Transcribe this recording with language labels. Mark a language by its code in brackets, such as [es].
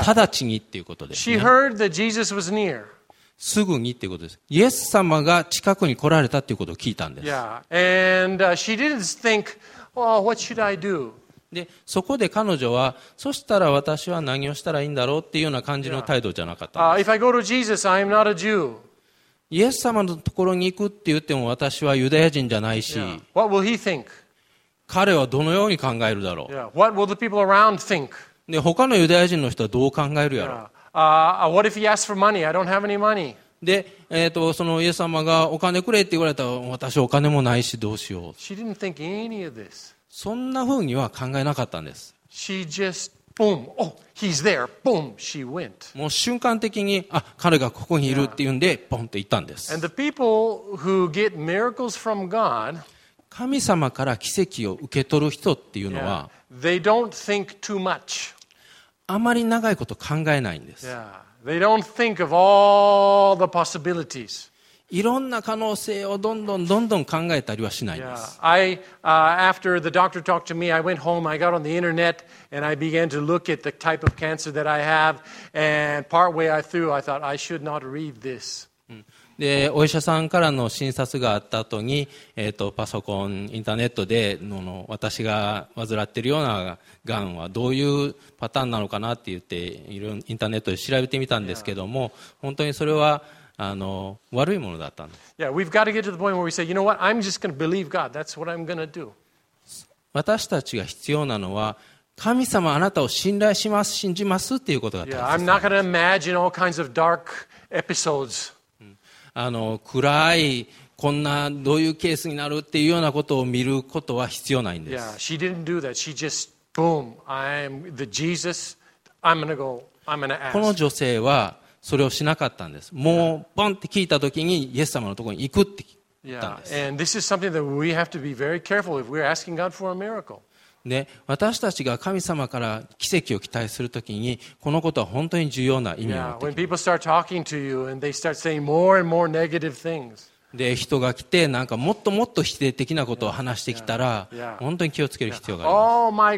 [ja] 直ちにということですね。 [en] She heard that Jesus was near. [ja] すぐにということです。イエス様が近くに来られたということを聞いたんです。 [en] Yeah. And she didn't think,Oh, what should I do? [ja] で、そこで彼女はそしたら私は何をしたらいいんだろうっていうような感じの態度じゃなかった。 [en] If I go to Jesus, I am not a Jew. [ja] イエス様のところに行くって言っても私はユダヤ人じゃないし、 [en] yeah. What will he think? [ja] 彼はどのように考えるだろう。 [en] Yeah. What will the people around think? [ja] で、他のユダヤ人の人はどう考えるやろ。 [en] Yeah. What if he asks for money? I don't have any money. [ja] で、そのイエス様がお金くれって言われたら私お金もないしどうしよう。 [en] She didn't think any of this. [ja] そんな風には考えなかったんです。 [en] She just boom, oh, he's there. Boom, she went. [ja] もう瞬間的に彼がここにいるって言うんで、ポンって行ったんです。 [en] And the people who get miracles from God, [ja] 神様から奇跡を受け取る人っていうのは、 [en] they don't think too much. [ja] あまり長いこと考えないんです。 [en] Yeah. They don't think of all the possibilities. [ja] いろんな可能性をどんどんどんどん考えたりはしないです。 [en] Yeah. After the doctor talked to me, I went home, I got on the internet, and I began to look at the type of cancer that I have, and partway through, I thought, I should not read this. [ja] で、お医者さんからの診察があった後に、パソコン、インターネットで、私が患っているようながんはどういうパターンなのかなって言って、インターネットで調べてみたんですけども、本当にそれは、悪いものだったんです。 [en] Yeah, we've got to get to the point where we say, you know what, I'm just going to believe God. That's what I'm going to do. [ja] 私たちが必要なのは、神様あなたを信頼します、信じますっていうことが大切です。 [en] Yeah, I'm not going to imagine all kinds of dark episodes. [ja] 暗いこんなどういうケースになるっていうようなことを見ることは必要ないんです。 [en] Yeah, she didn't do that. She just boom. I'm the Jesus. I'm gonna go. I'm gonna ask. [ja] この女性はそれをしなかったんです。もうポンって聞いたときにイエス様のところに行くって言ったんです。 [en] Yeah, and this is something that we have to be very careful if we're asking God for a miracle. [ja] ね、私たちが神様から奇跡を期待するときにこのことは本当に重要な意味を持ってきます。 [en] When people start talking to you and they start saying more and more negative things. [ja] で、人が来てなんかもっともっと否定的なことを話してきたら本当に気をつける必要があります。